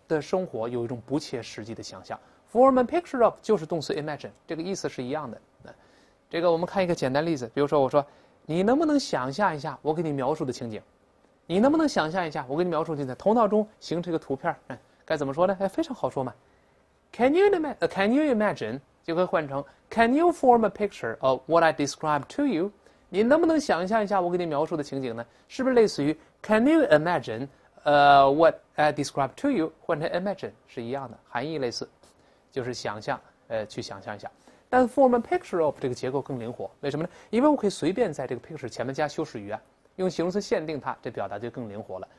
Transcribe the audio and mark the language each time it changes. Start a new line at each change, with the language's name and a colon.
Chinese: 的生活有一种不切实际的想象。 Form a picture of 就是动词 imagine，这个意思是一样的。这个我们看一个简单例子，比如说我说，你能不能想象一下我给你描述的情景？你能不能想象一下我给你描述的情景，头脑中形成一个图片？该怎么说呢？非常好说嘛。
English: Can you imagine
Chinese: 就可以换成
English: Can you form a picture of what I describe to you？
Chinese: 你能不能想象一下我给你描述的情景呢？是不是类似于
English: Can you imagine what I describe to you
Chinese: 换成 imagine 是一样的，含义类似，就是想象，去想象一下。但 form a picture of 这个结构更灵活，为什么呢？因为我可以随便在这个 picture 前面加修饰语啊，用形容词限定它，这表达就更灵活了。